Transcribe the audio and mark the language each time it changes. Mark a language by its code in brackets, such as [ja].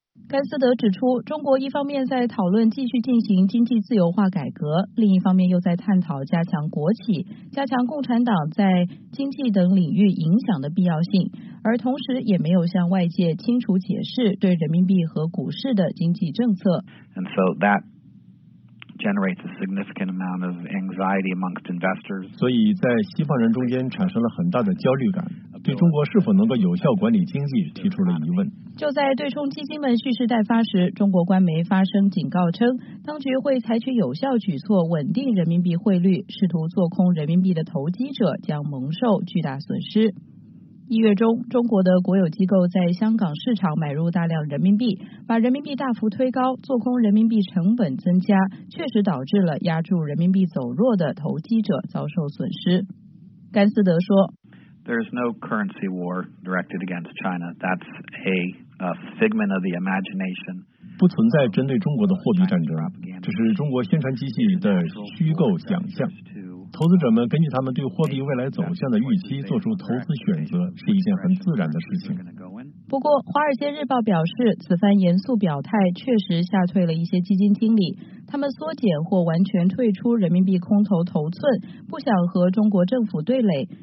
[zh] 甘斯德指出，中国一方面在讨论继续进行经济自由化改革，另一方面又在探讨加强国企、加强共产党在经济等领域影响的必要性，而同时也没有向外界清楚解释对人民币和股市的经济政策。 [en] And so that generates a significant amount of anxiety amongst investors. [zh] 所以在西方人中间产生了很大的焦虑感，对中国是否能够有效管理经济提出了疑问。就在对冲基金们蓄势待发时，中国官媒发声警告称，当局会采取有效举措稳定人民币汇率，试图做空人民币的投机者将蒙受巨大损失。一月中，中国的国有机构在香港市场买入大量人民币，把人民币大幅推高，做空人民币成本增加，确实导致了压住人民币走弱的投机者遭受损失。甘斯德说， [en] There is no currency war directed against China. That's a figment of the imagination. [zh] 不存在针对中国的货币战争，这是中国宣传机器的虚构想象。投资者们根据他们对货币未来走向的预期做出投资选择，是一件很自然的事情。不过，《华尔街日报》表示，此番严肃表态确实吓退了一些基金经理，他们缩减或完全退出人民币空头头寸，不想和中国政府对垒。